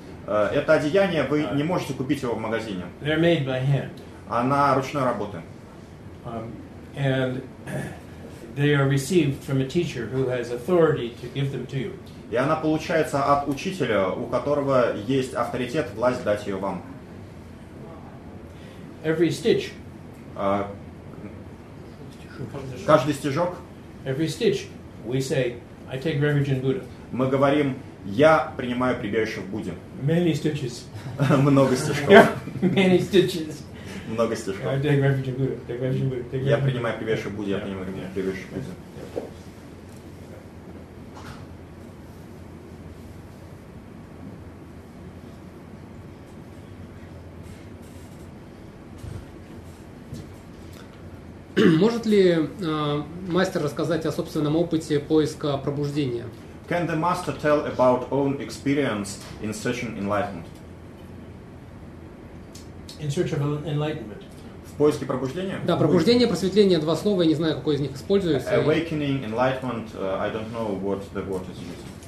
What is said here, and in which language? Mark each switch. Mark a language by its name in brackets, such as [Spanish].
[Russian] Это одеяние вы не можете купить его в магазине. [English] They're made by hand. [Russian] Она ручной работы. [English] And they are received from a teacher who has authority to give them to you. [Russian] И она получается от учителя, у которого есть авторитет, власть дать ее вам. [English] Every stitch. [Russian] Каждый стежок. [English] Every stitch, we say, I take refuge in Buddha. [Russian] Мы говорим, я принимаю прибежище в Будде. [English] Many stitches. [Russian] Много стежков. [English] Many stitches. [Russian] Много стежков. [English] I take refuge in Buddha. Take refuge in Buddha. [Russian] Я принимаю прибежище в Будде. Я принимаю прибежище в Будде. Может ли мастер рассказать о собственном опыте поиска пробуждения? [English] Can the master tell about own experience in searching enlightenment? In search of enlightenment. [Russian] В поиске пробуждения? Да, пробуждение, просветление, два слова, я не знаю, какое из них используется. [English] Awakening, enlightenment, I don't know what the word is used.